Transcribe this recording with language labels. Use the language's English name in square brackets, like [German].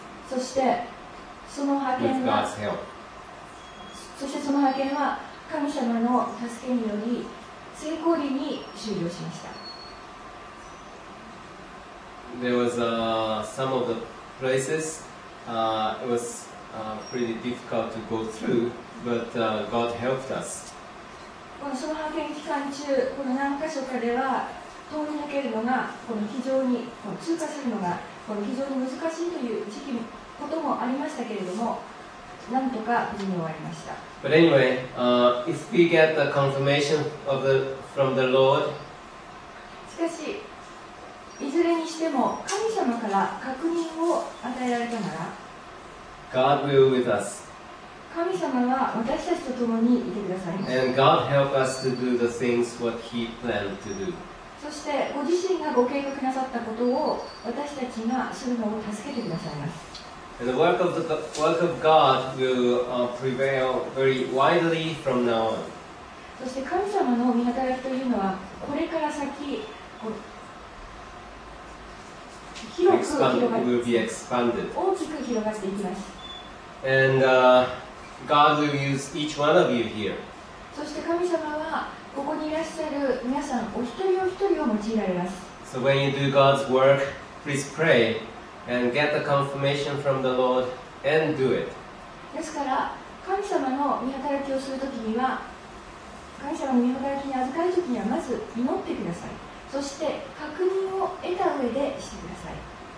[Japanese] そしてその派遣は、そしてその派遣は神様の助けにより成功裏に終了しました。 [English] There was some of the places it was pretty difficult to go through, but God helped us. [Japanese] このその派遣期間中、この何箇所かでは。通り抜けるのがこの非常にこの通過するのがこの非常に難しいという時期こともありましたけれども、なんとか無事に終わりました。 [English] But anyway, if we get the confirmation of the from the Lord, [Japanese] しかしいずれにしても神様から確認を与えられたなら、 [English] God will with us. [Japanese] 神様は私たちと共にいてくださいます。 [English] And God help us to do the things what He planned to do. [Japanese] そしてご自身がご計画なさったことを私たちがするのを助けてくださいます。 [English] And the work of God will prevail very widely from now on. [Japanese] そして神様の御働きというのはこれから先広く広が [English] る、 will be expanded. [Japanese] 大きく広がっていきます。 [English] And God will use each one of you here. [Japanese] そして神様はここにいらっしゃる皆さんお一人お一人を用いられます。 [English] So when you do God's work, please pray and get the confirmation from the Lord and do it. [Japanese] ですから神様の御働きをするときには神様の御働きに預かるときにはまず祈ってください。そして確認を得た上でしてください。